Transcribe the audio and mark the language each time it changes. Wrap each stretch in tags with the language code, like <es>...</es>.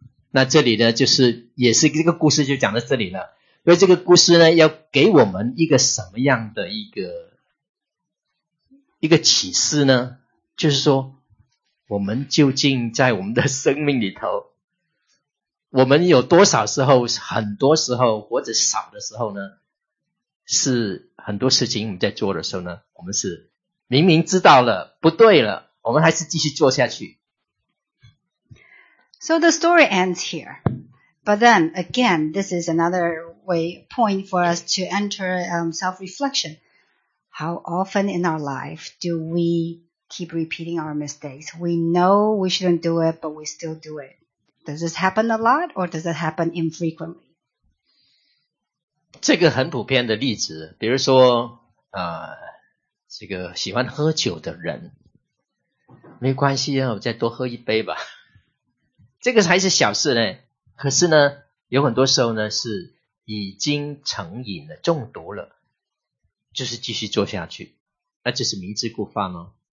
<zh>那这里呢就是也是这个故事就讲到这里了，所以这个故事呢要给我们一个什么样的一个启示呢，就是说我们究竟在我们的生命里头，我们有多少时候，很多时候或者少的时候呢，是很多事情我们在做的时候呢，我们是明明知道了不对了，我们还是继续做下去。</zh> <en>So the story ends here. But then again, this is another way point for us to enter self-reflection. How often in our life do we keep repeating our mistakes? We know we shouldn't do it, but we still do it. Does this happen a lot or does it happen infrequently?</en> <zh>这个很普遍的例子，比如说这个喜欢喝酒的人，没关系啊，我再多喝一杯吧。这个还是小事呢，可是呢，有很多时候呢是已经成瘾了，中毒了，就是继续做下去，那就是明知故犯哦。</zh>